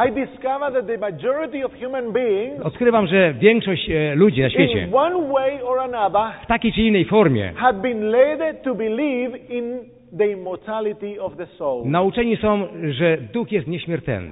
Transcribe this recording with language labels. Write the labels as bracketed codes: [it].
[en] I discover that the majority of human beings, [pl] odkrywam, że większość ludzi na świecie, [en] in one way or another, [pl] w takiej czy innej formie, [en] had been led to believe in the immortality of the soul. [pl] Nauczeni są, że duch jest nieśmiertelny.